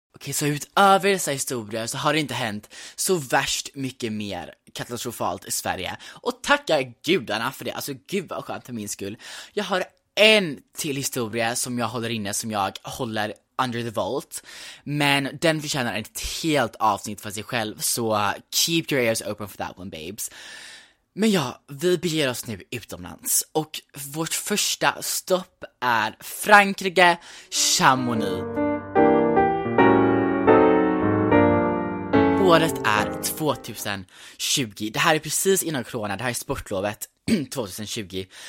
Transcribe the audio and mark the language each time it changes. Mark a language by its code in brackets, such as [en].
[sv] Okej, så utöver dessa historier så har det inte hänt så värst mycket mer katastrofalt i Sverige. Och tacka gudarna för det, alltså gud vad skönt för min skull. Jag har en till historia som jag håller inne, som jag håller [en] under the vault. [sv] Men den förtjänar ett helt avsnitt för sig själv. [en] Så keep your ears open for that one, babes. [sv] Men ja, vi beger oss nu utomlands. Och vårt första stopp är Frankrike, Chamonix. Året är 2020. Det här är precis innan corona, det här är sportlovet. 2020.